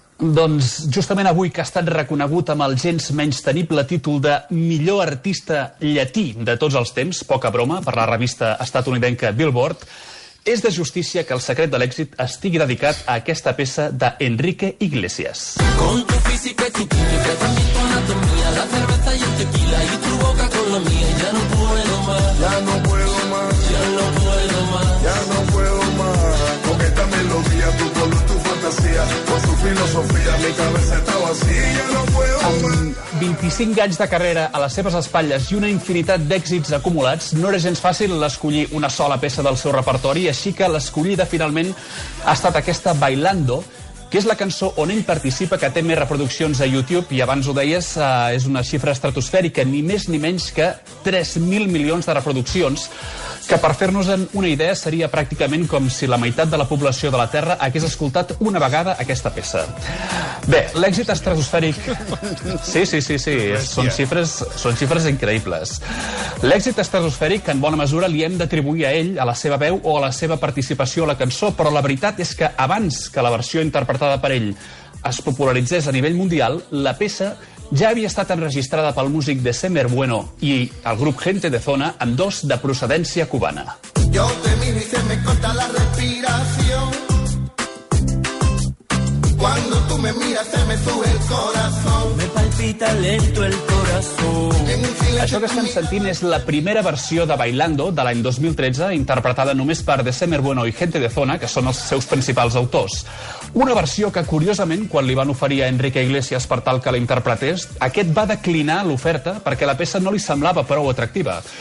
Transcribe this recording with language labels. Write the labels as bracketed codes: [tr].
[ca] Doncs justament avui, que ha estat reconegut amb el gens menys tenible títol de millor artista llatí de tots els temps, poca broma, per la revista estatunidenca Billboard, és de justícia que el secret de l'èxit estigui dedicat a aquesta peça d'Enrique Iglesias. [es] Con tu física y tu química, también tu anatomía, la cerveza y el tequila, y tu boca con la mía, ya no puedo más, ya no puedo más, ya no puedo más, ya no puedo más, con esta melodía, tu color, tu fantasía, con su filosofía, mi cabeza está vacía, ya no puedo más. [ca] 25 anys de carrera a les seves espatlles i una infinitat d'èxits acumulats, no era gens fàcil escollir una sola peça del seu repertori, així que l'escollida finalment ha estat aquesta Bailando, que és la cançó on ell participa, que té més reproduccions a YouTube, i abans ho deies, és una xifra estratosfèrica, ni més ni menys que 3.000 milions de reproduccions, que per fer-nos-en una idea seria pràcticament com si la meitat de la població de la Terra hagués escoltat una vegada aquesta peça. Bé, l'èxit estratosfèric... Sí. Són xifres increïbles. L'èxit estratosfèric, en bona mesura, li hem d'atribuir a ell, a la seva veu o a la seva participació a la cançó, però la veritat és que abans que la versió interpretada per ell es popularitzés a nivell mundial, la peça ja havia estat enregistrada pel músic de Semer Bueno i el grup Gente de Zona, amb dos de procedència cubana. [es] Yo te miro y se me corta la respiración. Cuando tú me miras se me sube el corazón. Me palpita lento el corazón. [ca] Això que estem sentint és la primera versió de Bailando de l'any 2013, interpretada només per De Semer Bueno i Gente de Zona, que són els seus principals autors. Una versió que, curiosament, quan li van oferir a Enrique Iglesias per tal que la interpretés, aquest va declinar l'oferta perquè la peça no li semblava prou atractiva.